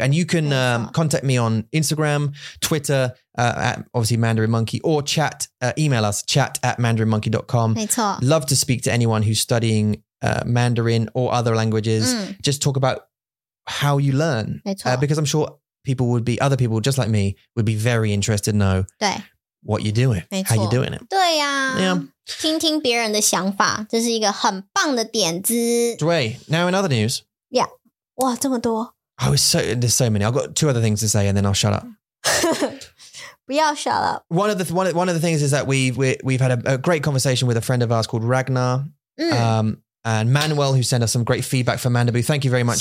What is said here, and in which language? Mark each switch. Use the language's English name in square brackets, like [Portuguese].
[English] And you can contact me on Instagram, Twitter, at obviously Mandarin Monkey, or chat, email us chat@mandarinmonkey.com. Love to speak to anyone who's studying Mandarin or other languages. Just talk about how you learn, because I'm sure people would be, other people just like me would be very interested to know what you're doing, how you're doing it. [Chinese] 对呀, 听听别人的想法, 这是一个很棒的点子。 [English] Dway, now in other news. [Chinese] Yeah. 哇,这么多。 [English] Oh, there's so many. I've got two other things to say and then I'll shut up. [Chinese] 不要 [English] shut up. One of the things is that we've had a great conversation with a friend of ours called Ragnar. And Manuel, who sent us some great feedback for Mandibu. Thank you very much.